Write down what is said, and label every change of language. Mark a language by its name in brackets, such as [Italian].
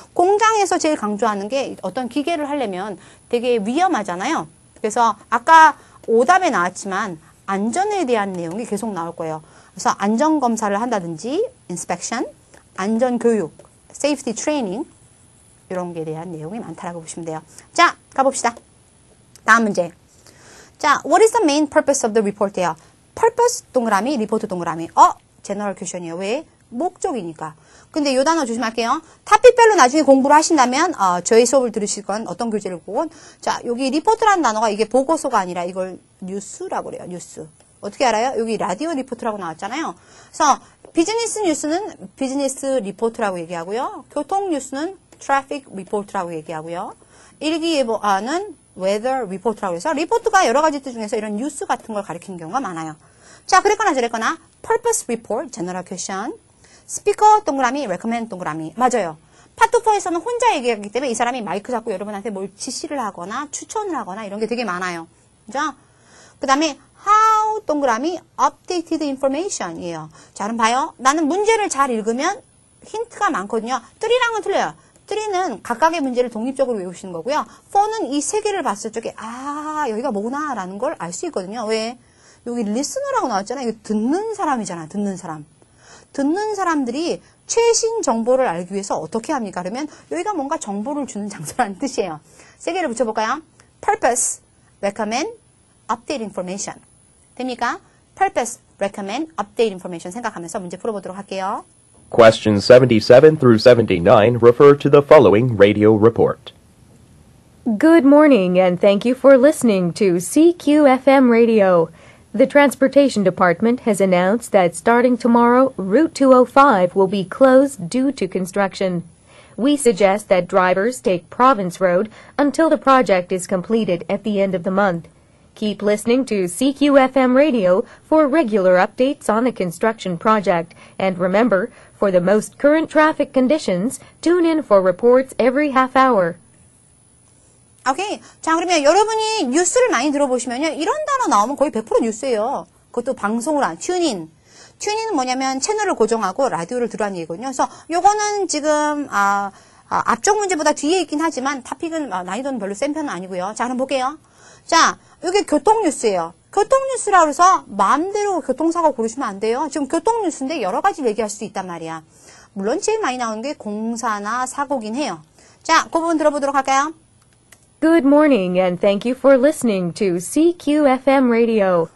[Korean] 공장에서 제일 강조하는 게 어떤 기계를 하려면 되게 위험하잖아요. 그래서 아까 오답에 나왔지만 안전에 대한 내용이 계속 나올 거예요. 그래서 안전 검사를 한다든지 inspection, 안전 교육, safety training 이런 게 대한 내용이 많다라고 보시면 돼요. 자, 가봅시다. 다음 문제. [English] 자, what is the main purpose of the report이에요? [Korean] purpose 동그라미, report 동그라미. general question이에요. 왜? 목적이니까. 근데 요 단어 조심할게요. 타피펠로 나중에 공부를 하신다면 저희 수업을 들으실 건 어떤 교재를 보건 자, 여기 리포트라는 단어가 이게 보고서가 아니라 이걸 뉴스라고 그래요. 뉴스. 어떻게 알아요? 여기 라디오 리포트라고 나왔잖아요. 그래서 비즈니스 뉴스는 비즈니스 리포트라고 얘기하고요. 교통 뉴스는 트래픽 리포트라고 얘기하고요. 일기예보는 weather report라고 해서 리포트가 여러 가지 뜻 중에서 이런 뉴스 같은 걸 가리키는 경우가 많아요. 자, 그랬거나 저랬거나 purpose report, general question, speaker 동그라미, recommend 동그라미. 맞아요. 파트4에서는 혼자 얘기하기 때문에 이 사람이 마이크 잡고 여러분한테 뭘 지시를 하거나 추천을 하거나 이런 게 되게 많아요. 그죠? 그 다음에 how 동그라미, updated information이에요. 자, 그럼 봐요. 나는 문제를 잘 읽으면 힌트가 많거든요. 3랑은 틀려요. 3는 각각의 문제를 독립적으로 외우시는 거고요. 4는 이 세 개를 봤을 적에 아 여기가 뭐구나 라는 걸 알 수 있거든요. 왜? 여기 리스너라고 나왔잖아요. 이거 듣는 사람이잖아요. 듣는 사람. 듣는 사람들이 최신 정보를 알기 위해서 어떻게 합니까? 그러면 여기가 뭔가 정보를 주는 장소라는 뜻이에요. 세 개를 붙여볼까요? Purpose, recommend, update information. 됩니까? [English] Purpose, recommend, update information. [Korean] 생각하면서 문제 풀어보도록 할게요. [English] Questions 77 through 79 refer to the following radio report. Good morning and thank you for listening to CQFM Radio. The Transportation Department has announced that starting tomorrow, Route 205 will be closed due to construction. We suggest that drivers take Province Road until the project is completed at the end of the month. Keep listening to CQFM Radio for regular updates on the construction project. And remember, for the most current traffic conditions, tune in for reports every half hour. Okay. [Korean] 자, 그러면 여러분이 뉴스를 많이 들어보시면요. 이런 단어 나오면 거의 100% 뉴스예요. 그것도 방송을 안, tune in. tune in은 뭐냐면 채널을 고정하고 라디오를 들어라는 얘기거든요. 그래서 요거는 지금, 앞쪽 문제보다 뒤에 있긴 하지만 topic은 난이도는 별로 센 편은 아니고요. 자, 그럼 볼게요. 자, 이게 교통뉴스예요. 교통뉴스라고 해서 마음대로 교통사고 고르시면 안 돼요. 지금 교통뉴스인데 여러 가지 얘기할 수 있단 말이야. 물론 제일 많이 나오는 게 공사나 사고긴 해요. 자, 그 부분 들어보도록 할까요? [English] Good morning and thank you for listening to CQFM Radio.